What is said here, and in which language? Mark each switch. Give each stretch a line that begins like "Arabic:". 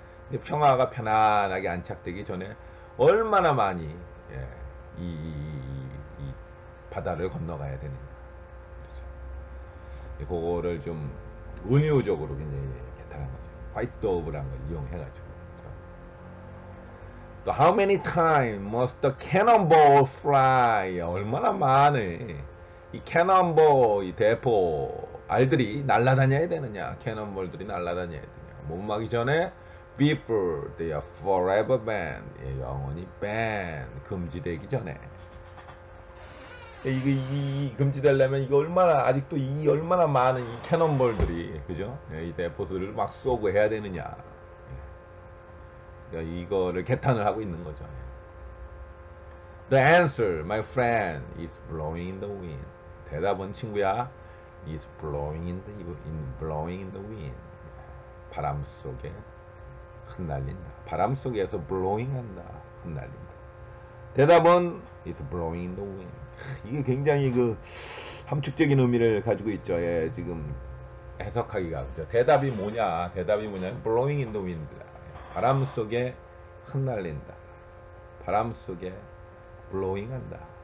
Korean: 근데 평화가 편안하게 안착되기 전에 얼마나 많이 예, 이 바다를 건너가야 되는가. 그렇죠. 그거를 좀 은유적으로 굉장히 개탄한 거죠. 화이트 도브라는 걸 이용해가지고. 또
English: how many times must the cannonball fly?
Korean: 얼마나 많은 이 cannonball, 이 대포 알들이 날아다녀야 되느냐? cannonball들이 날아다녀야 되느냐? 몸막이 전에
English: before they are forever banned,
Korean: 예, 영원히 ban, 금지되기 전에. 이게 이 금지되려면 이거 얼마나 아직도 이 얼마나 많은 이 cannonball들이 그죠? 예, 이 대포들을 막 쏘고 해야 되느냐? 이거를 개탄을 하고 있는 거죠.
English: The answer, my friend, is blowing in the wind.
Korean: 대답은 친구야,
English: is blowing in the wind.
Korean: 바람 속에 흩날린다. 바람 속에서 blowing 한다. 흩날린다. 대답은
English: is blowing in the wind.
Korean: 이게 굉장히 그 함축적인 의미를 가지고 있죠. 예, 지금 해석하기가. 그렇죠? 대답이 뭐냐? 대답이 뭐냐?
English: blowing in the wind.
Korean: 바람 속에 흩날린다. 바람 속에 블로잉한다.